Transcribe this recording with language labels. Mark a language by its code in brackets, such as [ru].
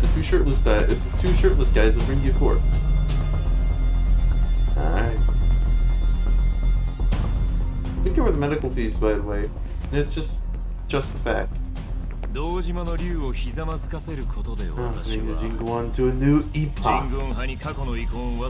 [en] The two shirtless guys will bring you forth. We cover the medical fees, by the way. It's just the fact. [ja] 道島の竜をひざまずかせることで私は。 [en] I'm bringing the Jingwon to a new epoch.